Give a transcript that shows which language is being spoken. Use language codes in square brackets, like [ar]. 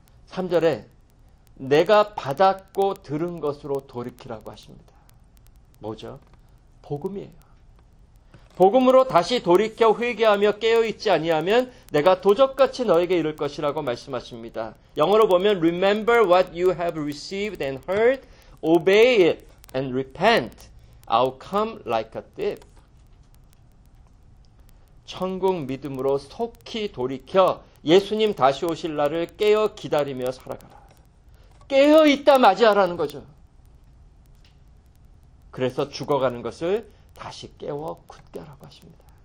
[ko] 3절에 내가 받았고 들은 것으로 돌이키라고 하십니다. 뭐죠? 복음이에요. 복음으로 다시 돌이켜 회개하며 깨어있지 아니하면 내가 도적같이 너에게 이를 것이라고 말씀하십니다. 영어로 보면 [en] Remember what you have received and heard, obey it and repent. I'll come like a thief. [ko] 천국 믿음으로 속히 돌이켜 예수님 다시 오실 날을 깨어 기다리며 살아가라. 깨어 있다 맞이하라는 거죠. 그래서 죽어가는 것을 다시 깨워 굳게 하라고 하십니다.